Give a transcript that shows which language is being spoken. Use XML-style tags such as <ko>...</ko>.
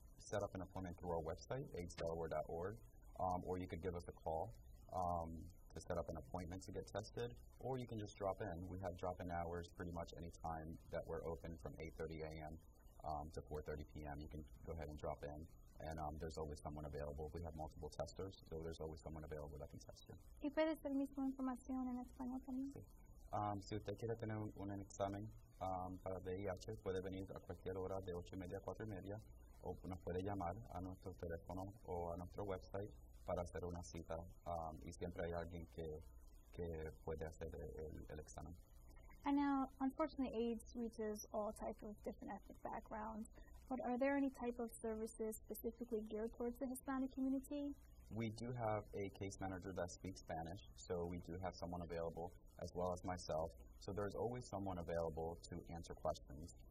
<en>set up an appointment through our website, aidsdelaware.org, or you could give us a call to set up an appointment to get tested, or you can just drop in. We have drop-in hours pretty much any time that we're open from 8:30 a.m. To 4:30 p.m. You can go ahead and drop in. And there's always someone available. We have multiple testers, so there's always someone available that can test you.</en> <es>¿Y puedes dar misma información en español también? Sí. Si usted quiere tener un examen para VIH, puede venir a cualquier hora de 8:30 a 4:30, o nos puede llamar a nuestro teléfono o a nuestro website para hacer una cita. Y siempre hay alguien que puede hacer el examen.</es> <en>And now, unfortunately, AIDS reaches all types of different ethnic backgrounds. But are there any type of services specifically geared towards the Hispanic community? We do have a case manager that speaks Spanish, so we do have someone available, as well as myself. So there's always someone available to answer questions.</en>